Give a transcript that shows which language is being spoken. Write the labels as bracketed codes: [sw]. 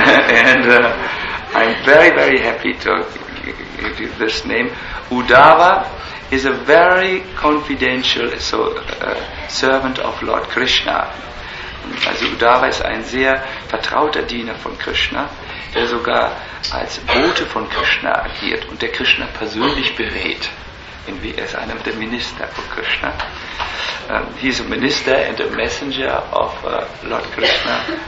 [en] And I'm very, very happy to... this name. Uddhava is a very confidential servant of Lord Krishna. [de] Also Uddhava ist ein sehr vertrauter Diener von Krishna, der sogar als Bote von Krishna agiert und der Krishna persönlich berät. Er ist einer der Minister von Krishna. [en] He is a minister and a messenger of Lord Krishna.